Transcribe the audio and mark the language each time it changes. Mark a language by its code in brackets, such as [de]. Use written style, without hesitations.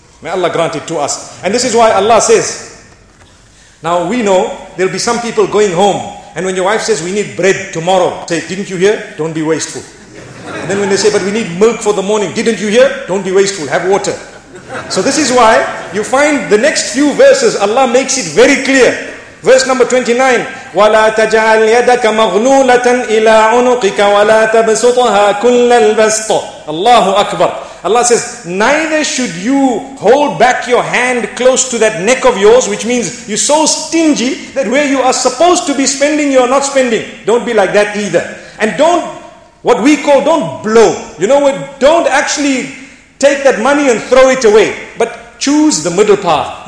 [en] May Allah grant it to us. And this is why Allah says, now we know there'll be some people going home. And when your wife says, we need bread tomorrow, say, didn't you hear? Don't be wasteful. And then when they say, but we need milk for the morning, didn't you hear? Don't be wasteful, have water. So this is why you find the next few verses, Allah makes it very clear. Verse number 29, [ar] وَلَا تَجْعَلْ يَدَكَ مَغْلُولَةً إِلَىٰ عُنُقِكَ وَلَا تَبْسُطَهَا كُلَّ الْبَسْطَ. Allahu Akbar. [en] Allah says, neither should you hold back your hand close to that neck of yours, which means you're so stingy that where you are supposed to be spending, you're not spending. Don't be like that either. And don't, what we call, don't blow. You know what? Don't actually take that money and throw it away. But choose the middle path.